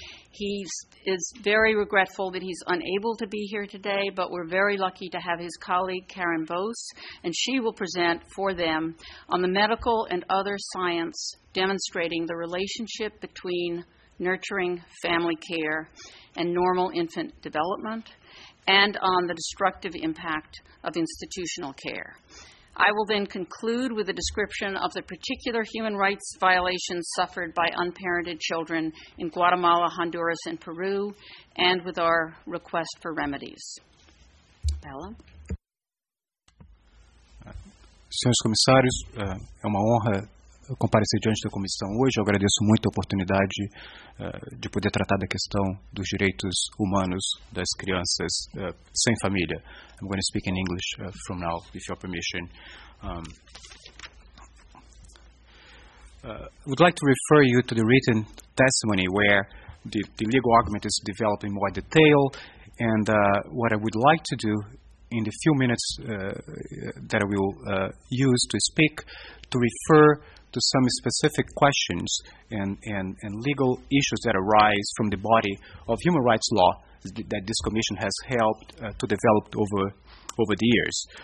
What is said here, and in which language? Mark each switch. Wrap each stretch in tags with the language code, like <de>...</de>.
<en>He is very regretful that he's unable to be here today, but we're very lucky to have his colleague, Karen Bose, and she will present for them on the medical and other science demonstrating the relationship between nurturing family care and normal infant development, and on the destructive impact of institutional care. I will then conclude with a description of the particular human rights violations suffered by unparented children in Guatemala, Honduras, and Peru, and with our request for remedies. Paola?</en> <pt>Senhores comissários, é uma honra comparecer diante da comissão hoje. Eu agradeço muito a oportunidade de poder tratar da questão dos direitos humanos das crianças sem família.</pt> <en>I'm going to speak in English from now, with your permission. I would like to refer you to the written testimony where the legal argument is developed in more detail, and what I would like to do in the few minutes that I will use to speak, to refer to some specific questions and legal issues that arise from the body of human rights law that this commission has helped to develop over the years.</en>